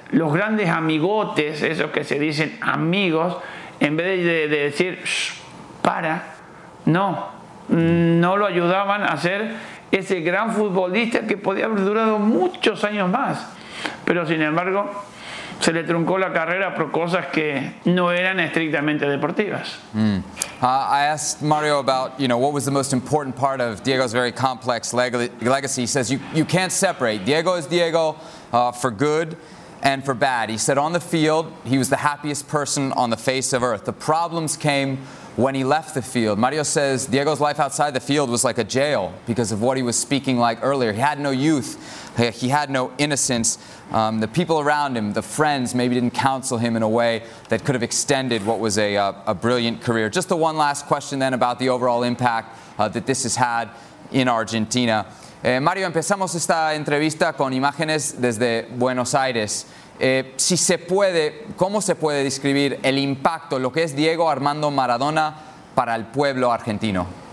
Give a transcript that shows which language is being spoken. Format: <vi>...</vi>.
<es>Los grandes amigotes, esos que se dicen amigos, en vez de decir, para, no lo ayudaban a ser ese gran futbolista que podía haber durado muchos años más. Pero sin embargo, se le truncó la carrera por cosas que no eran estrictamente deportivas.</es> <en>I asked Mario about, you know, what was the most important part of Diego's very complex legacy. He says you can't separate. Diego is Diego for good and for bad. He said on the field, he was the happiest person on the face of earth. The problems came when he left the field. Mario says Diego's life outside the field was like a jail because of what he was speaking like earlier. He had no youth. He had no innocence. The people around him, the friends, maybe didn't counsel him in a way that could have extended what was a brilliant career. Just the one last question then about the overall impact that this has had in Argentina.</en> <es>Mario, empezamos esta entrevista con imágenes desde Buenos Aires. Si se puede, ¿cómo se puede describir el impacto, lo que es Diego Armando Maradona para el pueblo argentino?</es>